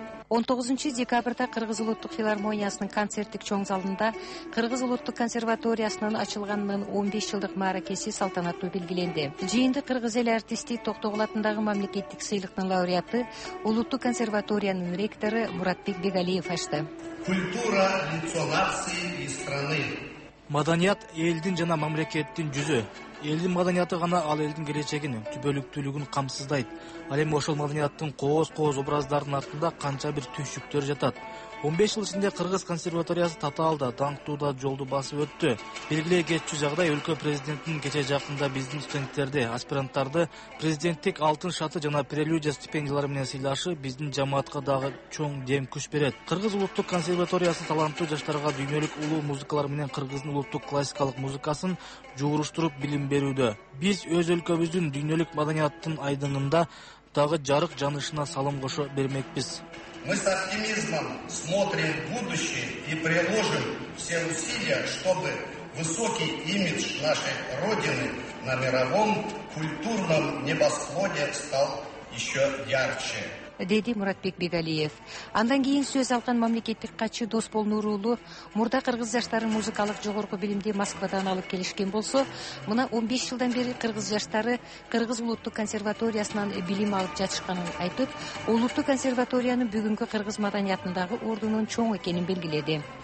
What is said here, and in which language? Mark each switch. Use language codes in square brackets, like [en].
[ky] 19 декабрда Кыргыз улуттук филармониясынын концерттик чоң залында Кыргыз улуттук консерваториясынын ачылганынын 15 жылдык мааракеси салтанаттуу белгиленди. Жыйында кыргыз эл артисти Токтогул атындагы мамлекеттик сыйлыктын лауреаты улуттук консерваториянын ректору Муратбек Бегалиев ачты. [ru] Культура лицо нации и страны. [ky] Маданият элдин жана мамлекеттин жүзү. Элдин маданияты гана ал элдин келечегин, түбөлүктүүлүгүн камсыздайт. Ал эми ошол маданияттын кооз-кооз образдарынын артында канча бир түйшүктөр жатат. 15 жыл ичинде Кыргыз консерваториясы татаалда, даңктууда жолду басып өттү. Белгилей кетчү жагдай, өлкө президентинин кече жакында биздин студенттерди, аспиранттарды президенттик алтын шаты жана прелюдия стипендиялары менен сыйлашы биздин жамаатка дагы чоң дем күч берет. Кыргыз улуттук консерваториясы таланттуу жаштарга дүйнөлүк улуу музыкалар менен кыргыздын улуттук классикалык музыкасын жууруштуруп билим берүүдө. Биз өз өлкөбүздүн дүйнөлүк маданияттын айдынында дагы жарык жанышына салым кошо бермекпиз. [ru] Мы с оптимизмом смотрим в будущее и приложим все усилия, чтобы высокий имидж нашей Родины на мировом культурном небосводе стал еще ярче. [ky] Деди Муратбек Бегалиев. Андан кийин сөз алган мамлекеттик катчы Досбол Нуруулу мурда кыргыз жаштары музыкалык жогорку билимди Москвадан алып келишкен болсо, мына 15 жылдан бери кыргыз жаштары Кыргыз улуттук консерваториясынан билим алып жатышканын айтып, улуттук консерваториянын бүгүнкү кыргыз маданиятындагы ордунун чоң экенин белгиледи.